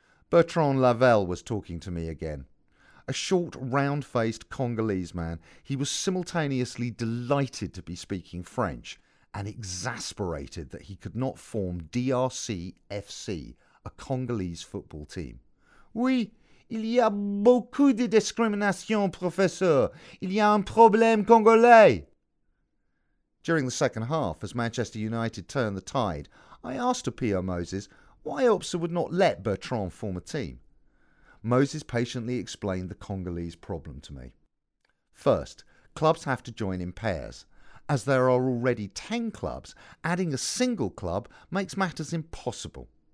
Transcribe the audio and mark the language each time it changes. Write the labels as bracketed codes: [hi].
[en] Bertrand Lavelle was talking to me again. A short, round-faced Congolese man, he was simultaneously delighted to be speaking French and exasperated that he could not form DRC FC, a Congolese football team. [fr] "Oui, il y a beaucoup de discrimination, professeur. Il y a un problème congolais." [en] During the second half, as Manchester United turned the tide, I asked Apio Moses why UPSA would not let Bertrand form a team. Moses patiently explained the Congolese problem to me. First, clubs have to join in pairs. As there are already 10 clubs, adding a single club makes matters impossible.